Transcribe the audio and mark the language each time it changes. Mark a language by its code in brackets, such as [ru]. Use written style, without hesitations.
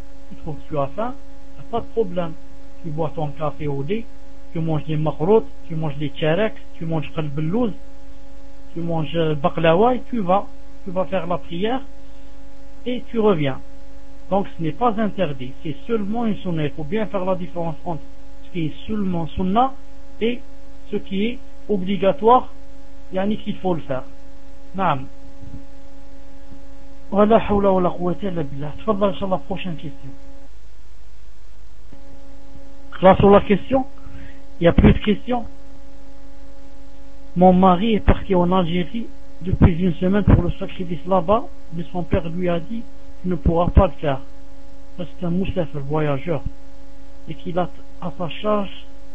[fr] Tu trouves que tu as faim, t'as pas de problème. Tu bois ton café au dé, tu manges des makhrout, tu manges des tchareks, tu manges khalbellouz, tu manges baklawa et tu vas faire la prière et tu reviens. Donc ce n'est pas interdit, c'est seulement une sunna. Il faut bien faire la différence entre ce qui est seulement sunna et ce qui est obligatoire, yani qu'il faut le faire. Naam. [ar] ولا حول ولا قوة إلا بالله. تفضل إن شاء الله [fr] prochaine question. [ar] خلاص ولا [fr] question؟ Y a plus de questions. Mon mari est parti en Algérie depuis une semaine pour le sacrifice là-bas, mais son père lui a dit qu'il ne pourra pas le faire parce que c'est un moussaf, un voyageur, et qu'il a à sa charge.